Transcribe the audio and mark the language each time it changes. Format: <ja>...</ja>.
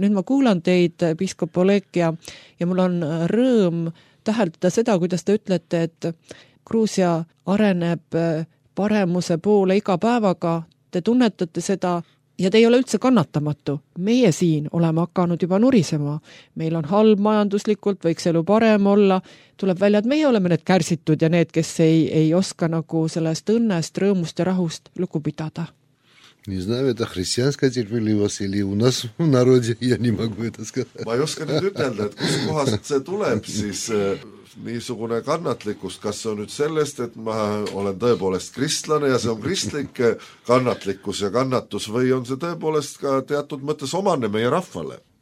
<et>Nüüd ma kuulan teid, biskop Oleg, ja mul on rõõm täheldada seda, kuidas te ütlete, et Gruusia areneb paremuse poole iga päevaga, te tunnetate seda ja te ei ole üldse kannatamatu. Meie siin oleme hakanud juba nurisema. Meil on halb majanduslikult, võiks elu parem olla. Tuleb välja, et meie oleme need kärsitud ja need, kes ei oska nagu sellest õnnest, rõõmust ja rahust lugu pidada.</et> <ru>Не знаю, это христианская терпеливость или у нас в народе, я не могу это сказать.</ru> <et>Ma ei oska nüüd ütelda, et kus kohast see tuleb, siis niisugune kannatlikust, kas see on nüüd sellest, et ma olen tõepoolest kristlane ja see on kristlik kannatlikus ja kannatus või on see tõepoolest ka teatud mõttes omane meie rahvale?</et>